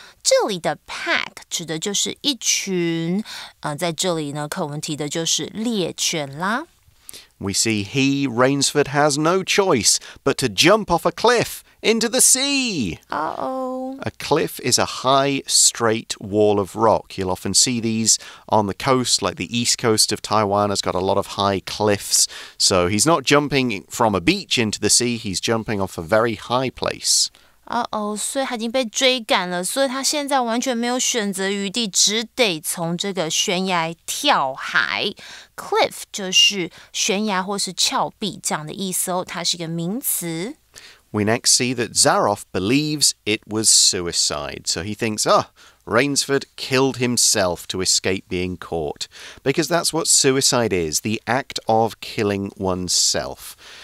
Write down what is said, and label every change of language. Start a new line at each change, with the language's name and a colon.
Chinese: 这里的 pack 指的就是一群，在这里呢，课文提的就是猎犬啦。
English: We see he, Rainsford, has no choice but to jump off a cliff into the sea. Uh-oh. A cliff is a high, straight wall of rock. You'll often see these on the coast, like the east coast of Taiwan has got a lot of high cliffs. So he's not jumping from a beach into the sea, he's jumping off a very high place.
Chinese: Uh-oh, 所以他已经被追赶了，所以他现在完全没有选择余地，只得从这个悬崖跳海。 Cliff 就是悬崖或是峭壁这样的意思哦，它是一个名词。
English: We next see that Zaroff believes it was suicide, so he thinks, ah, Rainsford killed himself to escape being caught, because that's what suicide is, the act of killing oneself.